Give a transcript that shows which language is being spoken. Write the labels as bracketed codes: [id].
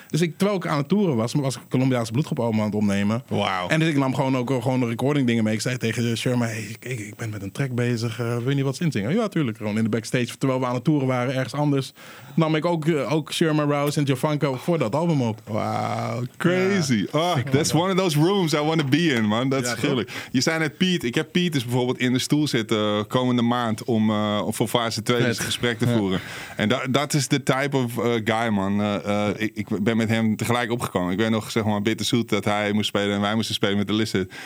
[nl] Dus terwijl ik aan het toeren was ik een Colombiaanse bloedgroep allemaal aan het opnemen. Wow. En dus ik nam gewoon recording dingen mee. Ik zei tegen Sherma, hey, ik ben met een track bezig, wil je niet wat inzingen? Ja, tuurlijk. Gewoon in de backstage, terwijl we aan het toeren waren, ergens anders, nam ik ook Sherma Rouse en Jovanka voor dat album op. [en] Wow, crazy. That's one of those rooms I want to be in, man. [nl] Dat is gruwelijk. Je zei net Piet. Ik heb Piet dus bijvoorbeeld in de stoel zitten komende maand om voor fase 2 het gesprek te voeren. En dat is de [en] type of guy, man. [nl] Ik ben met hem tegelijk opgekomen. Ik weet nog, zeg maar, bitterzoet dat hij moest spelen en wij moesten spelen met de Lissen.